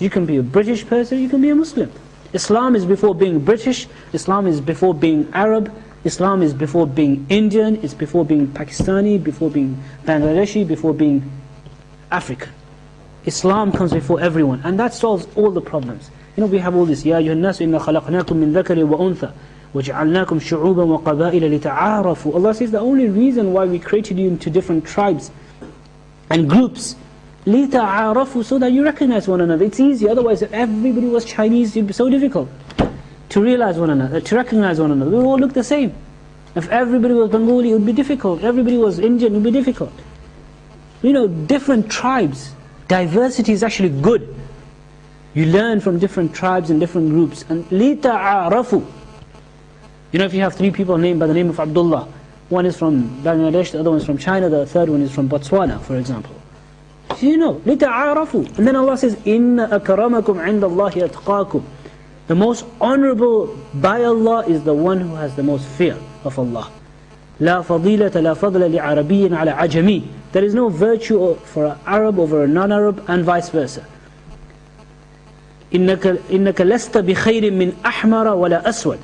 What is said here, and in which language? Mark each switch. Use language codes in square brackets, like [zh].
[en] You can be a British person, you can be a Muslim. Islam is before being British, Islam is before being Arab, Islam is before being Indian, it's before being Pakistani, before being Bangladeshi, before being African. Islam comes before everyone, and that solves all the problems. [ar] You know, we have all this, يَا أَيُّهَا النَّاسُ إِنَّا خَلَقْنَاكُمْ مِنْ ذَكَرٍ وَأُنْثَى وَجَعَلْنَاكُمْ شُعُوبًا وَقَبَائِلَ لِتَعَارَفُوا. [en] Allah says, the only reason why we created you into different tribes and groups, لِتَعَارَفُوا, so that you recognize one another. It's easy, otherwise if everybody was Chinese, it'd be so difficult to realize one another, to recognize one another. We all look the same. If everybody was Bengali, it would be difficult. If everybody was Indian, it would be difficult. You know, different tribes, diversity is actually good. You learn from different tribes and different groups. And لِتَعَارَفُوا. You know, if you have three people named by the name of Abdullah, one is from Bangladesh, the other one is from China, the third one is from Botswana, for example. So you know, لِتَعَارَفُوا. [ar] And then Allah says, إِنَّ أَكَرَمَكُمْ عِنْدَ اللَّهِ أَتْقَاكُمْ. [en] The most honorable by Allah is the one who has the most fear of Allah. لَا فَضِيلَةَ لَا فَضْلَ لِعَرَبِيٍ عَلَى عَجَمِيٍ. There is no virtue for an Arab over a non-Arab and vice versa. [ar] إِنَّكَ لَسْتَ بِخَيْرٍ مِّنْ أَحْمَرَ وَلَا أَسْوَدٍ.